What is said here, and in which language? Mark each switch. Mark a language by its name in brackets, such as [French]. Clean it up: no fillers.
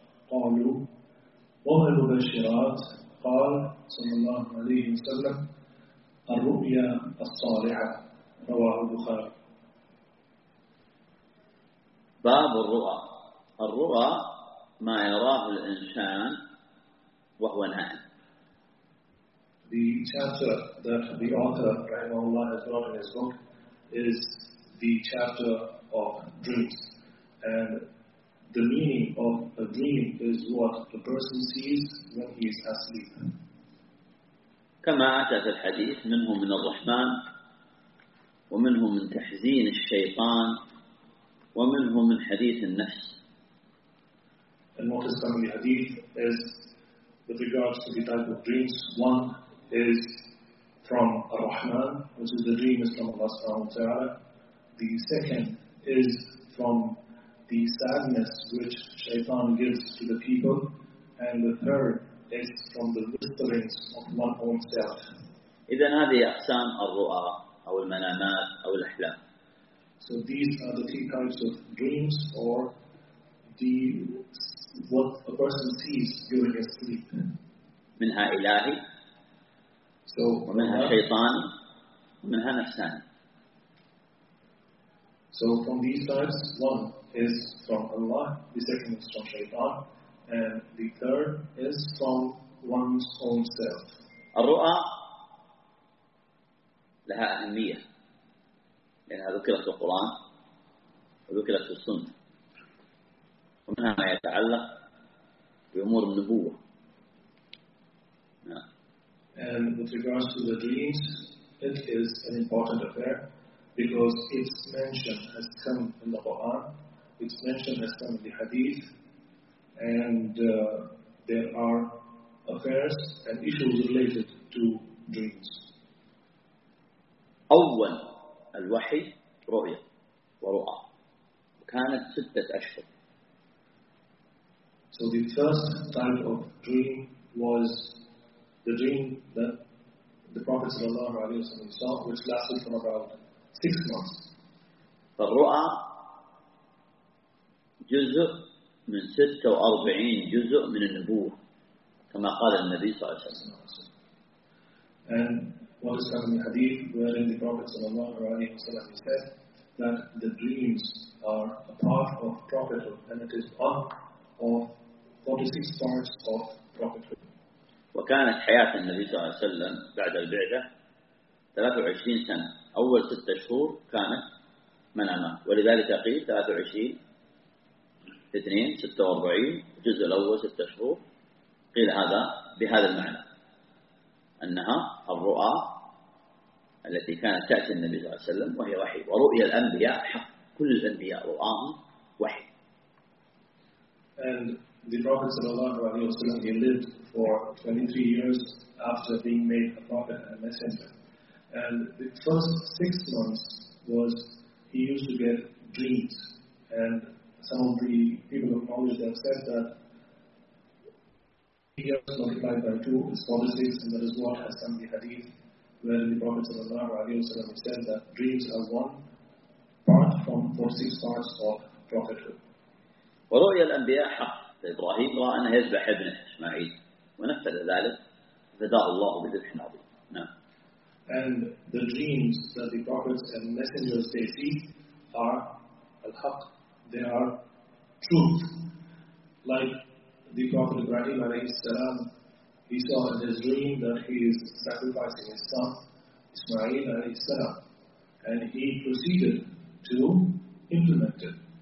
[Arabic] قالوا وما المبشرات؟ قال صلى الله عليه وسلم الرؤيا الصالحة. رواه البخاري. باب الرؤى. الرؤى ما يراه الإنسان وهو نائم. [English] The chapter that the author رحمه الله has brought in his book is the chapter of dreams, and the meaning of a dream is what a person sees when he is asleep. [Arabic] كما أتى في الحديث منه من الرحمن ومنه من تحزين الشيطان ومنه من حديث النفس. [English] And what is coming in the hadith is with regards to the type of dreams. One is from Ar-Rahman, which is the dream is from Allah subhanahu wa ta'ala. The second is from the sadness which shaitan gives to the people. And the third is from the whisperings of one's own self. [Arabic] إذن هذه أقسام الرؤى أو المنامات أو الأحلام. [English] So these are the three types of dreams or the what a person sees during his sleep. [Arabic] منها إلهي ومنها الشيطان ومنها نفسان. [English] So from these types, one is from Allah, the second is from Shaytan, and the third is from one's own self. [Arabic] الرؤى لها أهمية لأنها ذكرت في القرآن وذكرت في السنة ومنها ما يتعلق بأمور النبوة. [English] And with regards to the dreams, it is an important affair because its mention has come in the Quran, its mention has come in the Hadith, and there are affairs and issues related to dreams. [Arabic] أول الوحي رؤيا ورؤى كانت ستة أشهر. [English] So the first type of dream was the dream that the Prophet sallallahu alaihi wasallam saw, which lasted for about 6 months. [Arabic] فالرؤى جزء من 46 جزء من النبوة كما قال النبي صلى الله عليه وسلم. [English] And what is found in the Hadith, wherein the Prophet sallallahu alaihi wasallam said that the dreams are a part of prophethood, and it is part of 46 parts of prophethood. [Arabic] وكانت حياة النبي صلى الله عليه وسلم بعد البعثة 23 سنة، أول 6 شهور كانت منامه، ولذلك قيل 23 في 2 46 الجزء الأول 6 شهور، قيل هذا بهذا المعنى أنها الرؤى التي كانت تأتي النبي صلى الله عليه وسلم وهي وحي، ورؤيا الأنبياء حق، كل الأنبياء رؤاهم وحي. [English] And the Prophet sallallahu alaihi wasallam, he lived for 23 years after being made a prophet and a messenger. And the first 6 months was he used to get dreams. And some of the people of knowledge have said that he was multiplied by 2, his 46, and that is what has come the Hadith, where the Prophet sallallahu alaihi wasallam said that dreams are one part from 46 parts of prophethood. [Arabic] ورؤيا الأنبياء حق، إبراهيم رأى أنه يذبح ابنه إسماعيل ونفذ ذلك، فداء الله بذبح عظيم. نعم. [English] And the dreams that the prophets and messengers they see are al-haq, they are truth. Like the prophet Ibrahim alayhi salam, he saw in his dream that he is sacrificing his son Ismail alayhi salam, and he proceeded to implement it.